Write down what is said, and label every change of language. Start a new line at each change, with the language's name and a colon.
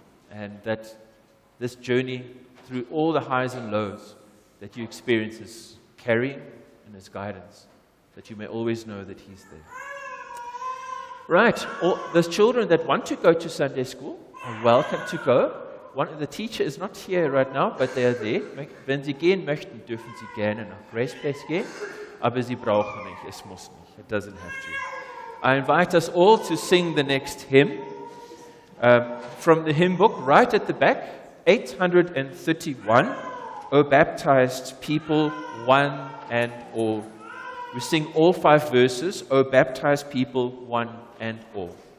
English: And that this journey through all the highs and lows that you experience is carrying and is guidance, that you may always know that He's there. Right, all the children that want to go to Sunday school are welcome to go. One of the teacher is not here right now, but they are there.
German: Wenn sie gehen möchten, dürfen sie gerne nach Grace Place gehen. Aber sie brauchen nicht, es muss nicht.
English: It doesn't have to. I invite us all to sing the next hymn from the hymn book right at the back, 831, O Baptized People, One and All. We sing all five verses, O Baptized People, One and All.